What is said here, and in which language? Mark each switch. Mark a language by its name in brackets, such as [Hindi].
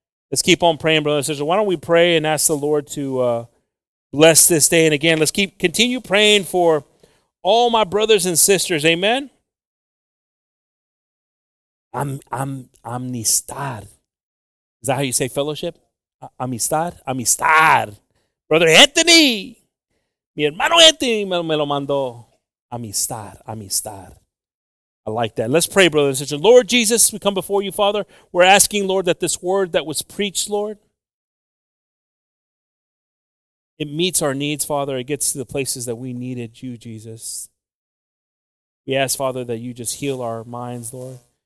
[English] Let's keep on praying, brothers and sisters. Why don't we pray and ask the Lord to bless this day? And again, let's continue praying for all my brothers and sisters. Amen. Amistad. Is that how you say fellowship? Amistad? Amistad. Brother Anthony. [Spanish] Mi hermano Anthony me lo mandó. Amistad. Amistad. [English] I like that. Let's pray, brothers and sisters. Lord Jesus, we come before you, Father. We're asking, Lord, that this word that was preached, Lord, it meets our needs, Father. It gets to the places that we needed you, Jesus. We ask, Father, that you just heal our minds, Lord.